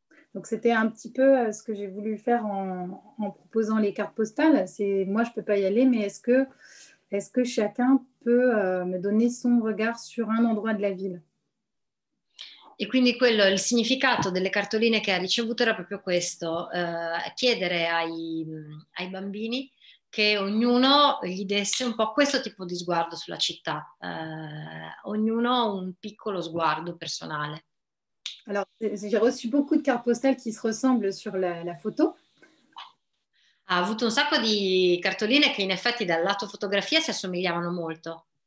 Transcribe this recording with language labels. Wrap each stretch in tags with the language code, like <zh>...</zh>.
<fr>Donc c'était un petit peu ce que j'ai voulu faire en proposant les cartes postales. C'est moi je peux pas y aller, mais est-ce que chacun peut me donner son regard sur un endroit de la ville?</fr> <it>E quindi il significato delle cartoline che ha ricevuto era proprio questo, chiedere ai bambini che ognuno gli desse un po' questo tipo di sguardo sulla città, ognuno un piccolo sguardo personale.</it> <fr>Alors, j'ai reçu beaucoup de cartes postales qui se ressemblent sur la photo.</fr> <it>Ha avuto un sacco di cartoline che in effetti dal lato fotografia si assomigliavano molto.</it>